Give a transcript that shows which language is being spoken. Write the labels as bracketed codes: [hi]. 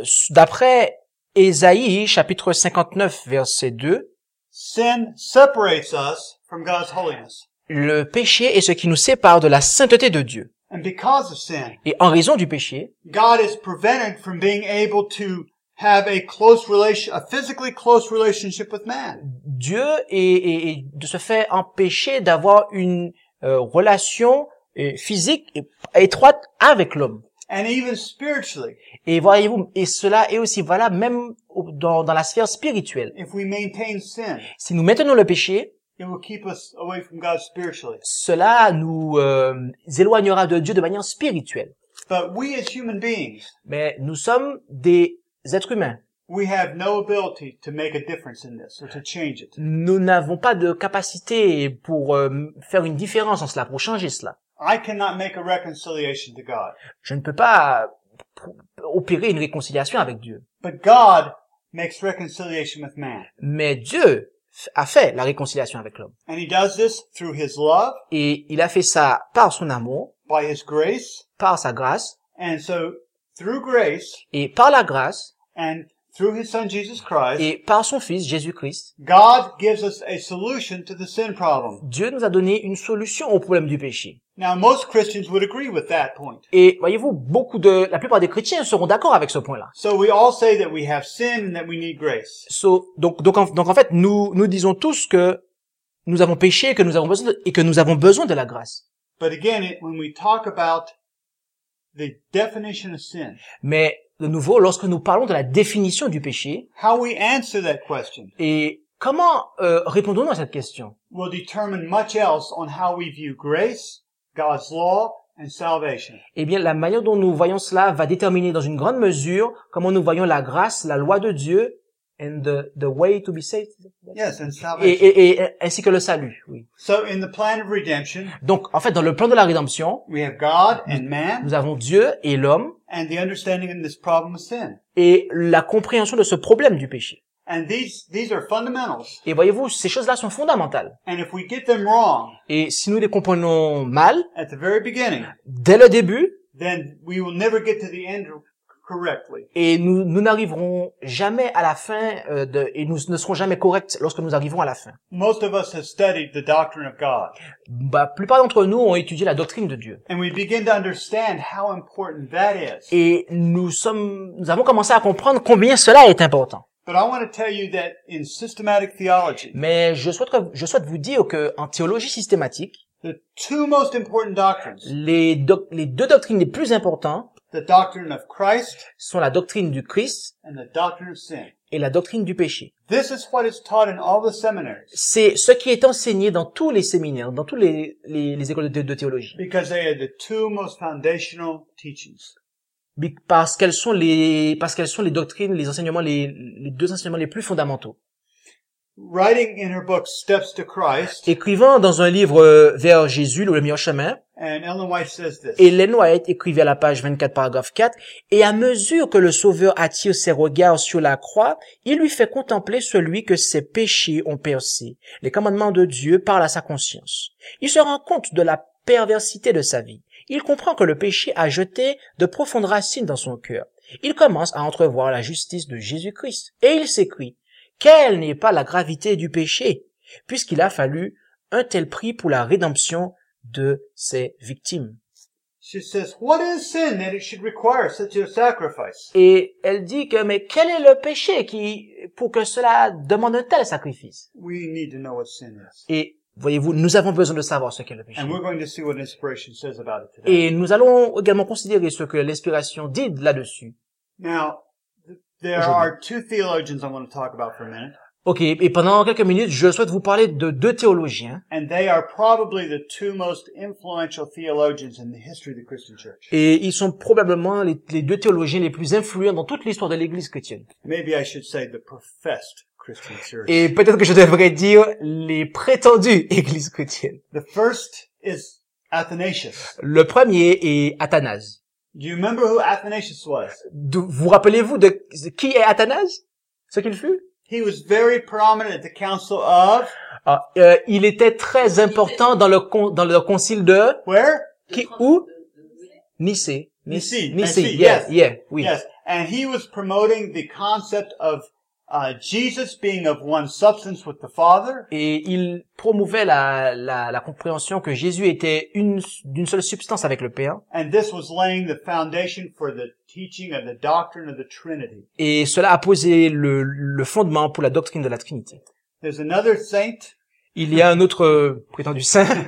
[fr] d'après Ésaïe chapitre 59 verset 2, [en] sin separates us from God's holiness. [fr] Le péché est ce qui nous sépare de la sainteté de Dieu. [en] And because of sin, [fr] et en raison du péché, [en] God is prevented from being able to have a close relation, a physically close relationship with man. [fr] Dieu est de ce fait empêché d'avoir une relation physique étroite avec l'homme. [en] And even spiritually. [fr] Et voyez-vous, et cela est aussi valable même dans la sphère spirituelle. [en] If we maintain sin, [fr] si nous maintenons le péché, [en] it will keep us away from God spiritually. [fr] Cela nous éloignera de Dieu de manière spirituelle. [en] But we as human beings, [fr] mais nous sommes des êtres humains. [en] We have no ability to make a difference in this or to change it. [fr] Nous n'avons pas de capacité pour faire une différence en cela, pour changer cela. [en] I cannot make a reconciliation to God. [fr] Je ne peux pas opérer une réconciliation avec Dieu. [en] But God makes reconciliation with man. [fr] Mais Dieu a fait la réconciliation avec l'homme. [en] And he does this through his love. [fr] Et il a fait ça par son amour. [en] By his grace. [fr] Par sa grâce. [en] And so through grace. [fr] Et par la grâce. [en] And through his son Jesus Christ. [fr] Et par son fils Jésus-Christ. [en] God gives us a solution to the sin problem. [fr] Dieu nous a donné une solution au problème du péché. [en] Now most Christians would agree with that point. [fr] Et voyez-vous, la plupart des chrétiens seront d'accord avec ce point-là. [en] So we all say that we have sin and that we need grace. [fr] Donc en fait, nous disons tous que nous avons péché et que nous avons besoin de la grâce. [en] But again, when we talk about the definition of sin. [fr] Mais de nouveau, lorsque nous parlons de la définition du péché, [en] how we answer that question, [fr] et comment répondons-nous à cette question, [en] will determine much else on how we view grace, God's law, and salvation. [fr] Eh bien, la manière dont nous voyons cela va déterminer dans une grande mesure comment nous voyons la grâce, la loi de Dieu, [en] and the way to be saved. Yes, and salvation. [fr] Et ainsi que le salut, oui. [en] So in the plan of redemption, [fr] donc, en fait, dans le plan de la rédemption, [en] we have God and man, [fr] nous avons Dieu et l'homme, [en] and the understanding of this problem of sin. [fr] Et la compréhension de ce problème du péché. [en] And these are fundamentals. [fr] Et voyez-vous, ces choses-là sont fondamentales. [en] And if we get them wrong, [fr] et si nous les comprenons mal, [en] at the very beginning, [fr] dès le début, [en] then we will never get to the end correctly. [fr] Et nous n'arriverons jamais à la fin et nous ne serons jamais corrects lorsque nous arrivons à la fin. [en] Most of us have studied the doctrine of God. [fr] Bah, la plupart d'entre nous ont étudié la doctrine de Dieu. [en] And we begin to understand how important that is. [fr] Et nous avons commencé à comprendre combien cela est important. [en] But I want to tell you that in systematic theology. [fr] Mais je souhaite vous dire que en théologie systématique, [en] the two most important doctrines. [fr] Les deux doctrines les plus importantes. [en] The doctrine of Christ. [fr] Sont la doctrine du Christ. [en] And the doctrine of sin. [fr] Et la doctrine du péché. [en] This is what is taught in all the seminaries. [fr] C'est ce qui est enseigné dans tous les séminaires, dans tous les écoles de théologie. [en] Because they are the two most foundational teachings. [fr] Parce qu'elles sont les doctrines, les enseignements, les deux enseignements les plus fondamentaux. [en] Writing in her book Steps to Christ. [fr] Écrivant dans un livre vers Jésus, le meilleur chemin. [en] And Ellen White says this. [fr] Ellen White écrivait à la page 24, paragraphe 4. Et à mesure que le Sauveur attire ses regards sur la croix, il lui fait contempler celui que ses péchés ont percé. Les commandements de Dieu parlent à sa conscience. Il se rend compte de la perversité de sa vie. Il comprend que le péché a jeté de profondes racines dans son cœur. Il commence à entrevoir la justice de Jésus-Christ. Et il s'écrie, quelle n'est pas la gravité du péché, puisqu'il a fallu un tel prix pour la rédemption de ses victimes. [en] She says, what is sin that it should require such a sacrifice? [fr] Et elle dit que, mais quel est le péché pour que cela demande un tel sacrifice? [en] We need to know what sin is. [fr] Et voyez-vous, nous avons besoin de savoir ce qu'est le péché. [en] And we're going to see what inspiration says about it today. [fr] Et nous allons également considérer ce que l'inspiration dit là-dessus. [en] Now, there are two theologians I want to talk about for a minute. [fr] OK, et pendant quelques minutes, je souhaite vous parler de deux théologiens. [en] And they are probably the two most influential theologians in the history of the Christian Church. [fr] Et ils sont probablement les deux théologiens les plus influents dans toute l'histoire de l'Église chrétienne. [en] Maybe I should say the professed Christian Church. [fr] Et peut-être que je devrais dire les prétendues Églises chrétiennes. [en] The first is Athanasius. [fr] Le premier est Athanase. [en] Do you remember who Athanasius was? [fr] Vous rappelez-vous de qui est Athanase? Ce qu'il fut? [en] He was very prominent at the council of. [fr] Il était très important dans le concile de. [en] Where? [fr] Qui? Où? Nicée. [en] Yes. Yes. And he was promoting the concept of Jesus being of one substance with the Father. [fr] Et il promouvait la compréhension que Jésus était d'une seule substance avec le Père. [en] And this was laying the foundation for the teaching of the doctrine of the Trinity. [fr] Et cela a posé le fondement pour la doctrine de la Trinité. [en] There's another saint. [fr] Il y a un autre prétendu saint.